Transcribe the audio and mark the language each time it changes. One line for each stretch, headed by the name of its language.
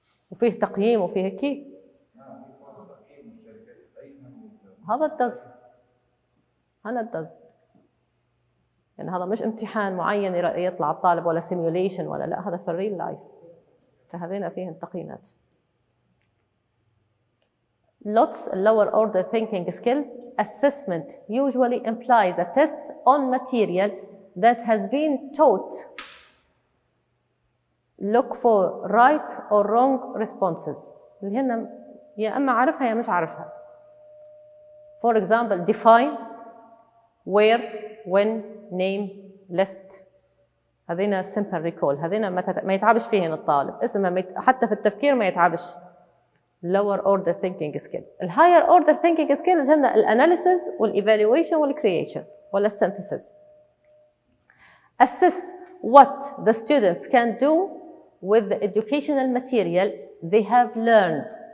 Arabic: وفيه تقييم وفيه كي؟ هذا الدز، هنا الدز. يعني هذا مش امتحان معين يطلع الطالب ولا سيميوليشن ولا لا، هذا في
English: الريل لايف.
Arabic: هذين فيه التقييمات.
English: Lots lower order thinking skills assessment usually implies a test on material that has been taught. Look for right or wrong responses.
Arabic: اللي هنا يا اما عارفها يا مش عارفها.
English: For example, define where, when, name, list.
Arabic: هذينا
English: simple recall,
Arabic: هذينا ما يتعبش فيهن الطالب، اسمها حتى في التفكير ما يتعبش.
English: lower order thinking skills. الهاير order thinking skills هن الاناليسيس والايفالويشن والكرييشن ولا السينثيسيس. assess what the students can do with the educational material they have learned.